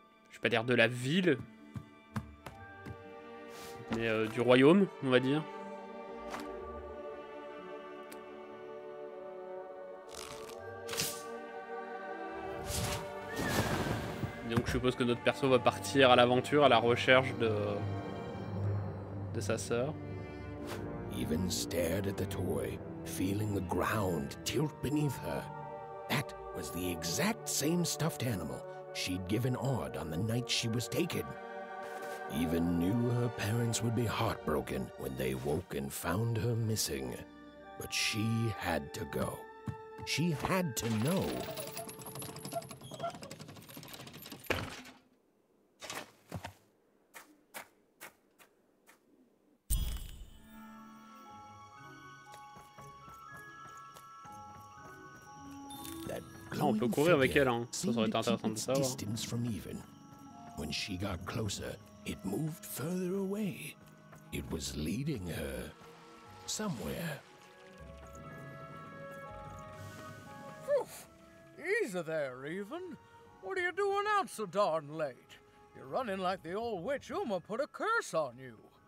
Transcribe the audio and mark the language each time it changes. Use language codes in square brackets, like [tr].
[fr] Je vais pas dire de la ville, mais du royaume, on va dire. Donc je suppose que notre perso va partir à l'aventure à la recherche de sa sœur. [en] Even stared at the toy, feeling the ground tilt beneath her. That was the exact same stuffed animal she'd given Odd on the night she was taken. Even knew her parents would be heartbroken when they woke and found her missing. But she had to go. She had to know. [fr] On peut courir avec elle, hein. Ça aurait été [en] when she got closer, it moved further away. It was leading her somewhere. Phew! Easy there, Even. What are you doing out so darn late? You're running like the old witch Uma put a curse on you.